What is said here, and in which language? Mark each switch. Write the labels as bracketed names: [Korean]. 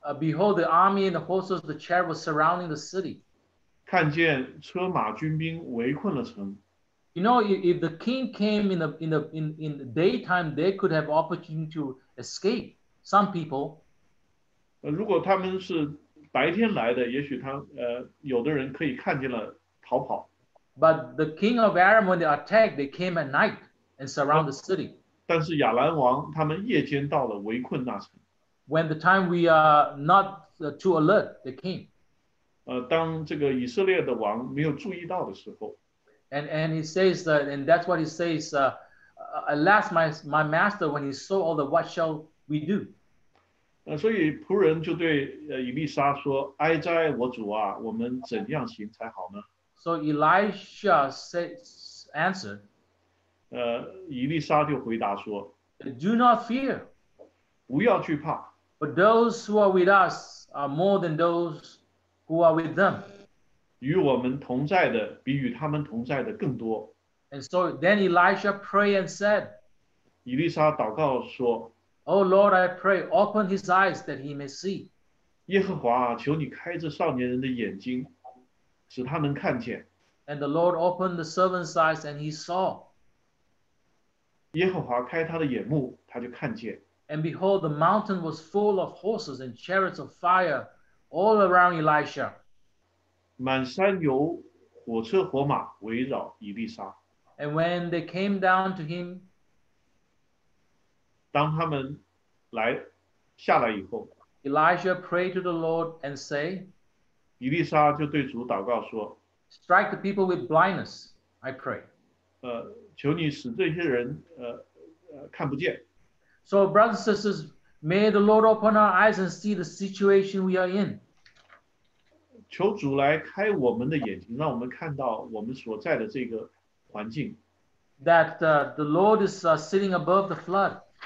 [English] behold, the army and the horses, the chariot was surrounding the city. [Chinese] 看见车马军兵围困了城。 [English] You know, if the king came in the daytime, they could have opportunity to escape, some people. [Chinese] 如果他们是白天来的, 也许他, 有的人可以看见了逃跑。 [English] But the king of Aram, when they attacked, they came at night and surround the city. [Chinese] 但是亚兰王他们夜间到了围困那城。 [English] When the time we are not too alert, they came. [Chinese] 当这个以色列的王没有注意到的时候, [English] And he says that, and that's what he says, alas, my master, when he saw all the, what shall we do? [Chinese] 所以仆人就对以利沙说, 哀哉我主啊, 我们怎样行才好呢? [English] So Elisha answered, [Chinese] 以利沙就回答说, [English] do not fear, [Chinese] 不要惧怕, [English] but those who are with us are more than those who are with them. [Chinese] 与我们同在的比与他们同在的更多。 [English] And so then Elisha prayed and said, [Chinese] 以利沙祷告说, [English] O Lord, I pray, open his eyes that he may see. [Chinese] 耶和华啊，求你开这少年人的眼睛， 使他能看见。 [English] And the Lord opened the servant's eyes and he saw. [Chinese] 耶和华开他的眼目， 他就看见。 [English] And behold, the mountain was full of horses and chariots of fire all around Elisha. [Chinese] 满山有火车火马围绕以利沙。 [English] And when they came down to him, [Chinese] 当他们来下来以后， [English] Elisha prayed to the Lord and say, [Chinese] 以利沙就对主祷告说， [English] Strike the people with blindness, I pray. [Chinese] 求你使这些人看不见。 [English] So brothers and sisters, may the Lord open our eyes and see the situation we are in. [Chinese] 求主来开我们的眼睛, 让我们看到我们所在的这个环境。 [English] That the Lord is sitting above the flood.